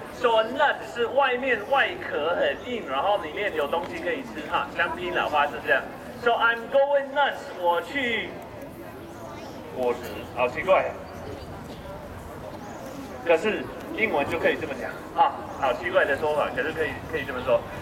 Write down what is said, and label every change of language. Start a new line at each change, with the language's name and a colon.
English: So a nut
Chinese: 是外面外壳很硬, 然后里面有东西可以吃, huh? 像皮夹, 花生这样.
English: So I'm going nuts,
Chinese: 我去... 果实, 好奇怪。可是, 英文就可以这么讲, huh? 好奇怪的说法, 可是可以这么说。